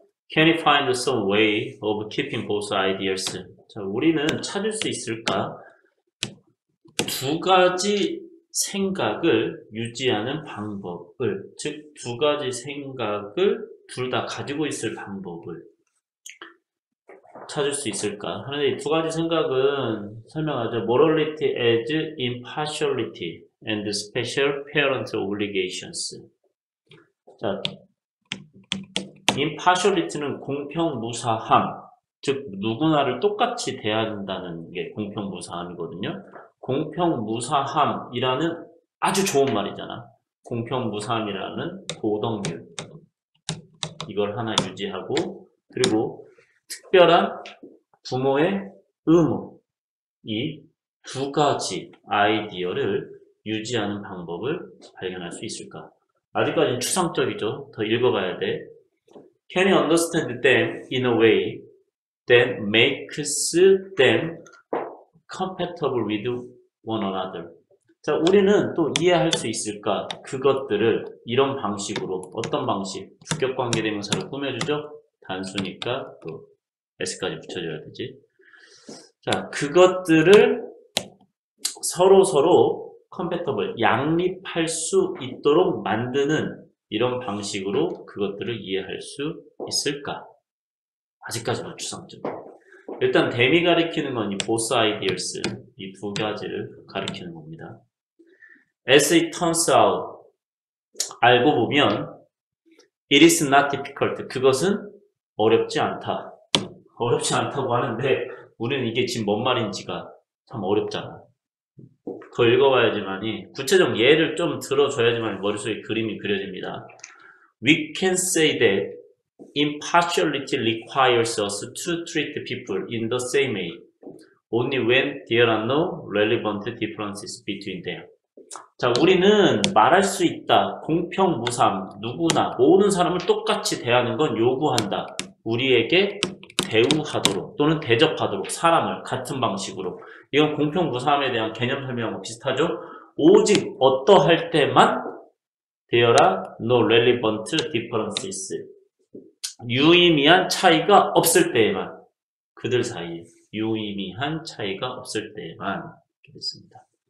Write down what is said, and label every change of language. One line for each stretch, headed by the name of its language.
English: Can you find some way of keeping both ideas?
Korean: 자, 우리는 찾을 수 있을까? 두 가지 생각을 유지하는 방법을, 즉, 두 가지 생각을 둘다 가지고 있을 방법을 찾을 수 있을까? 그런데 이두 가지 생각은 설명하죠.
English: Morality as impartiality and special parental obligations.
Korean: 자, Impartiality는 공평무사함, 즉 누구나를 똑같이 대한다는 게 공평무사함이거든요. 공평무사함이라는 아주 좋은 말이잖아. 공평무사함이라는 고등법. 이걸 하나 유지하고, 그리고 특별한 부모의 의무. 이두 가지 아이디어를 유지하는 방법을 발견할 수 있을까? 아직까지는 추상적이죠. 더 읽어봐야 돼.
English: Can you understand them in a way that makes them compatible with one another?
Korean: 자, 우리는 또 이해할 수 있을까? 그것들을 이런 방식으로, 어떤 방식? 주격 관계대명사를 꾸며주죠? 단수니까 또 S까지 붙여줘야 되지. 자, 그것들을 서로서로 compatible, 양립할 수 있도록 만드는 이런 방식으로 그것들을 이해할 수 있을까? 아직까지만 추상적. 일단 댐이 가리키는 건이 보스 아이디어스, 이두 가지를 가리키는 겁니다.
English: As it turns out,
Korean: 알고 보면
English: it is not difficult.
Korean: 그것은 어렵지 않다. 어렵지 않다고 하는데 우리는 이게 지금 뭔 말인지가 참 어렵잖아. 더 읽어봐야지만이, 구체적 예를 좀 들어줘야지만 머릿속에 그림이 그려집니다.
English: We can say that impartiality requires us to treat people in the same way, only when there are no relevant differences between them.
Korean: 자, 우리는 말할 수 있다. 공평무사함. 누구나, 모든 사람을 똑같이 대하는 건 요구한다. 우리에게 대우하도록 또는 대접하도록 사람을 같은 방식으로 이건 공평무사함에 대한 개념 설명하고 비슷하죠? 오직 어떠할 때만 되어라
English: no relevant differences
Korean: 유의미한 차이가 없을 때에만 그들 사이에 유의미한 차이가 없을 때에만 그랬습니다.